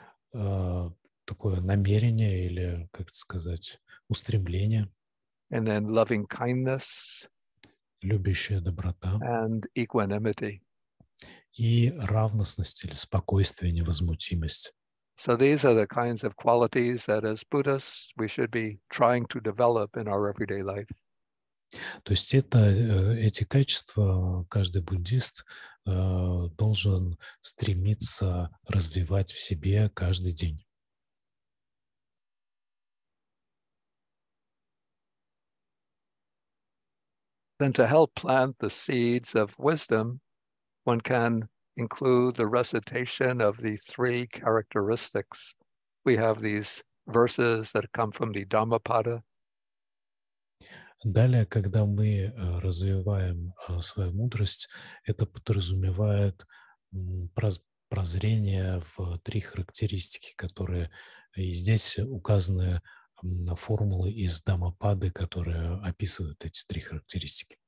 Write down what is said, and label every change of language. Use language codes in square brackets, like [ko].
[ru] Такое намерение или, как это сказать, устремление. [en] And then loving kindness. [ru] Любящая доброта. [en] And equanimity. [ru] И равностность или спокойствие, невозмутимость. [en] So these are the kinds of qualities that as Buddhists we should be trying to develop in our everyday life. [ru] То есть эти качества каждый буддист должен стремиться развивать в себе каждый день. [en] Then to help plant the seeds of wisdom, one can include the recitation of the three characteristics. We have these verses that come from the Dhammapada. [ru] Далее, когда мы развиваем свою мудрость, это подразумевает прозрение в три характеристики, которые и здесь указаны на формулы из Дхаммапады, которые описывают эти три характеристики.